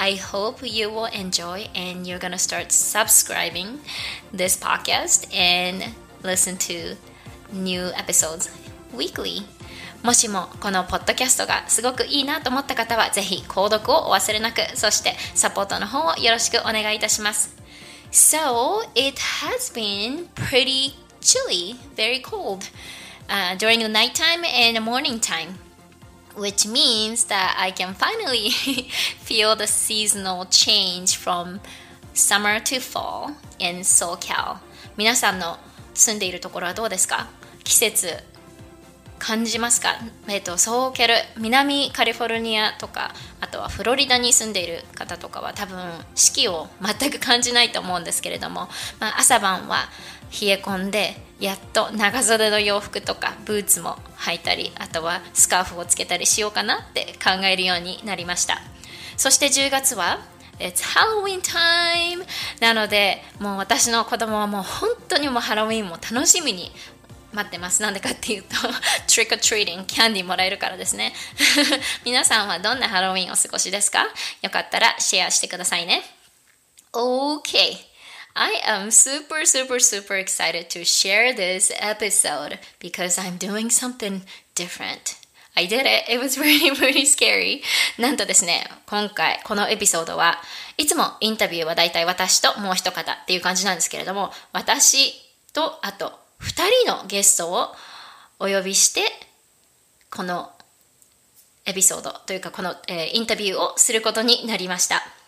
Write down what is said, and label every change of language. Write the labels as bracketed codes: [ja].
[en] I hope you will enjoy and you're gonna start subscribing this podcast and listen to new episodes weekly. [ja] もしもこのポッドキャストがすごくいいなと思った方は、ぜひ購読をお忘れなく、そしてサポートの方をよろしくお願いいたします。 [en] So, it has been pretty chilly, very cold, during the night time and the morning time, which means that I can finally feel the seasonal change from summer to fall in SoCal. [ja] 皆さんの住んでいるところはどうですか？季節感じますか？ SoCal、南カリフォルニアとか、あとはフロリダに住んでいる方とかは多分四季を全く感じないと思うんですけれども、まあ、朝晩は冷え込んで、やっと長袖の洋服とかブーツも履いたり、あとはスカーフをつけたりしようかなって考えるようになりました。そして10月は [en] It's Halloween time! [ja] なので、もう私の子供はもう本当にもうハロウィンも楽しみに待ってます。なんでかっていうと、 [en] Trick or Treating、 [ja] キャンディーもらえるからですね。皆さんはどんなハロウィンを過ごしですか？よかったらシェアしてくださいね。 [en] OK! I am super, super, super excited to share this episode because I'm doing something different. I did it. It was really, really scary. [ja] なんとですね、今回このエピソードは、いつもインタビューはだいたい私ともう一方っていう感じなんですけれども、私とあと二人のゲストをお呼びして、このエピソードというか、この、インタビューをすることになりました。